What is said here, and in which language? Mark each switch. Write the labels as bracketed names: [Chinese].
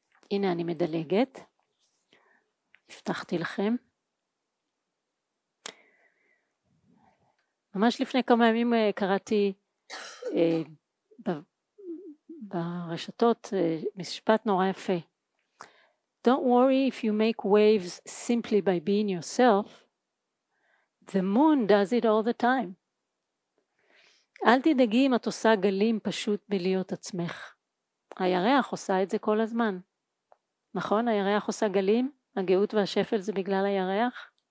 [Hebrew] הנה אני מדלגת, הבטחתי לכם. ממש לפני כמה ימים קראתי ברשתות משפט נורא יפה. [English] Don't worry if you make waves simply by being yourself. The moon does it all the time. [Hebrew] אל תדאגי אם את עושה גלים פשוט בלהיות עצמך. הירח עושה את זה כל הזמן. נכון? הירח עושה גלים? הגאות והשפל זה בגלל הירח?